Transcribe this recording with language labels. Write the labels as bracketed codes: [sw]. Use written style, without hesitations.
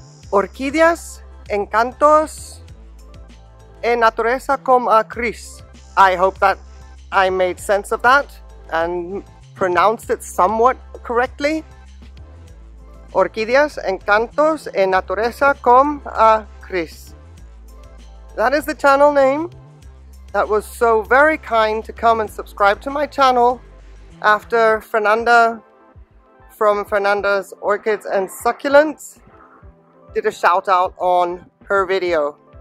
[es] Orquídeas Encantos en Naturaleza como a Cris. [en] I hope that I made sense of that and pronounced it somewhat correctly. [es] Orquídeas Encantos en Naturaleza com a Cris. [en] That is the channel name that was so very kind to come and subscribe to my channel after Fernanda from Fernanda's Orchids and Succulents did a shout out on her video.